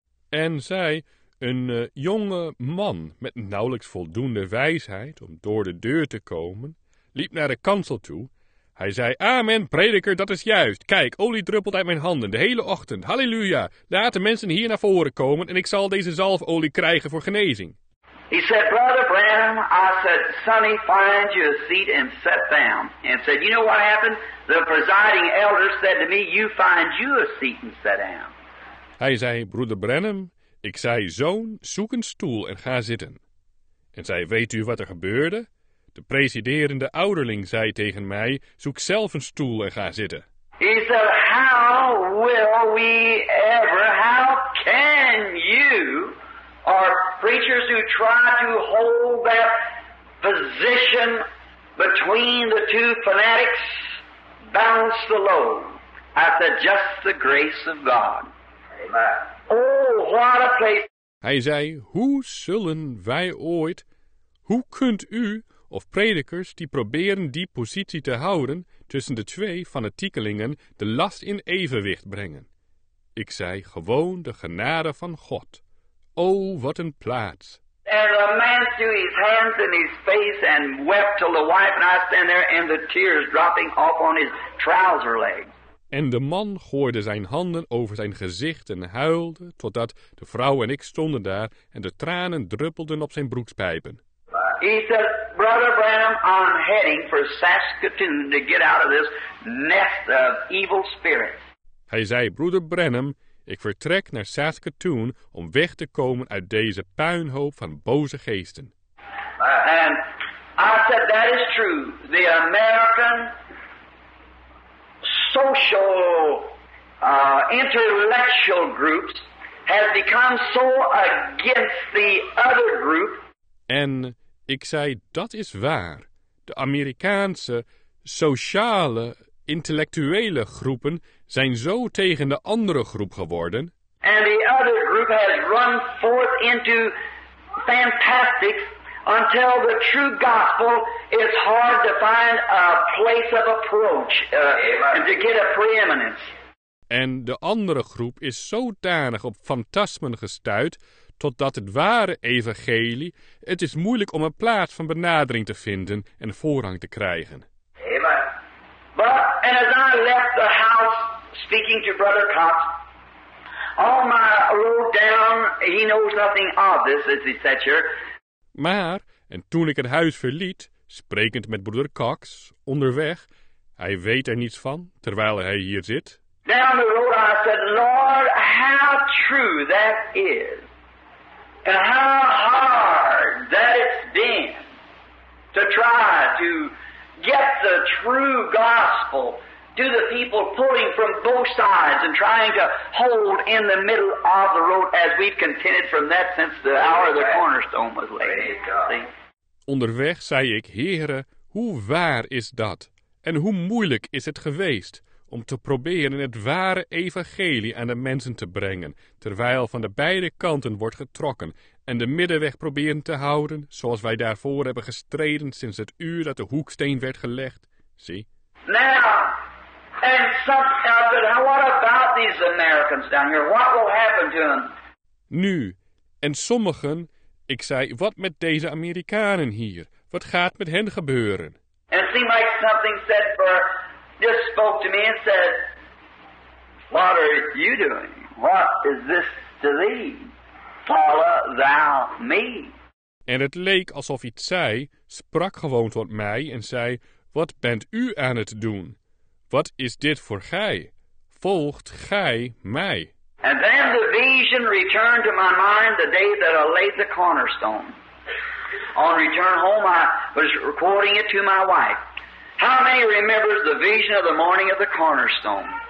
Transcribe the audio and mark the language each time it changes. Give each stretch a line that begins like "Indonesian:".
Dutch: En zei, een jonge man met nauwelijks voldoende wijsheid om door de deur te komen, liep naar de kansel toe. Hij zei, amen, prediker, dat is juist. Kijk, olie druppelt uit mijn handen de hele ochtend. Halleluja, laat de mensen hier naar voren komen en ik zal deze zalfolie krijgen voor genezing.
English: He said, brother Branham, I said, sonny, find you a seat and sit down. And said, you know what happened? The presiding elder said to me, you find you a seat and sit down.
Dutch: Hij zei, broeder Branham, ik zei, zoon, zoek een stoel en ga zitten. En zei, weet u wat er gebeurde? De presiderende ouderling zei tegen mij, zoek zelf een stoel en ga zitten.
English: He said, how will we ever, how can you, our preachers who try to hold that position between the two fanatics, balance the load at the just the grace of God. Amen. Oh, what a place.
Dutch: Hij zei, hoe zullen wij ooit, hoe kunt u, of predikers die proberen die positie te houden, tussen de twee fanatiekelingen de last in evenwicht brengen? Ik zei, gewoon de genade van God. O, wat een plaats.
English: And the man threw his hands in his face and wept till the wife and I stand there and the tears dropping off on his trouser legs.
Dutch: En de man gooide zijn handen over zijn gezicht en huilde, totdat de vrouw en ik stonden daar en de tranen druppelden op zijn broekspijpen.
English: He said, Brother Branham, I'm heading for Saskatoon to get out of this nest of evil spirits.
Dutch: Hij zei, Broeder Branham, ik vertrek naar Saskatoon om weg te komen uit deze puinhoop van boze geesten.
English: And I said, that is true. The American social intellectual groups have become so against the other group.
Dutch: En ik zei, dat is waar. De Amerikaanse sociale intellectuele groepen zijn zo tegen de andere groep geworden.
English: And the other group has run forth into fantastics until the true gospel is hard to find a place of approach and to get a preeminence.
Dutch: En de andere groep is zodanig op fantasmen gestuit totdat het ware evangelie, het is moeilijk om een plaats van benadering te vinden en voorrang te krijgen. Amen.
English: But as I left the house speaking to Brother Cox, on my road down, he knows nothing of this, as he said here.
Dutch: Maar, en toen ik het huis verliet, sprekend met Broeder Cox, onderweg, hij weet er niets van, terwijl hij hier zit.
English: Down the road I said, Lord, how true that is. And how hard that it's been to try to get the true gospel to the people pulling from both sides and trying to hold in the middle of the road as we've contended from that since the hour of the cornerstone was laid.
Dutch: Onderweg zei ik, heren, hoe waar is dat? En hoe moeilijk is het geweest om te proberen het ware evangelie aan de mensen te brengen, terwijl van de beide kanten wordt getrokken en de middenweg proberen te houden, zoals wij daarvoor hebben gestreden sinds het uur dat de hoeksteen werd gelegd. Zie.
English: Now, and some, what about these Americans down here? What will happen to them?
Dutch: Nu, en sommigen, ik zei, wat met deze Amerikanen hier? Wat gaat met hen gebeuren?
English: And it seemed like something said for just spoke to me and said, what are you doing? What is this to thee? Follow thou me.
Dutch: En het leek alsof iets zei, sprak gewoon tot mij en zei, wat bent u aan het doen? Wat is dit voor gij? Volgt gij mij?
English: And then the vision returned to my mind the day that I laid the cornerstone. On return home, I was recording it to my wife. How many remembers the vision of the morning of the cornerstone?